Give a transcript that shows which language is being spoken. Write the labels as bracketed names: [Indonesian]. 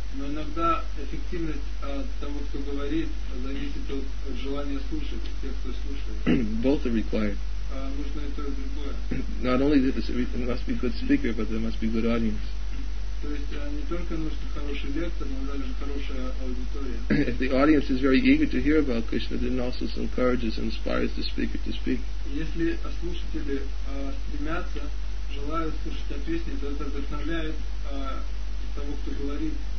[Russian] Но иногда эффективность того, кто говорит, зависит от желания слушать, от тех, кто слушает. [English] Both are required. [Russian] Нужно и то, и другое. [English] Not only there must be good speaker, but there must be good audience. [Russian] То есть не только нужен хороший лектор, но даже хорошая аудитория. [English] If the audience is very eager to hear about Krishna, then also encourages and inspires the speaker to speak. [Russian] Если слушатели стремятся, желают слушать о Кришне, то это вдохновляет того, кто говорит.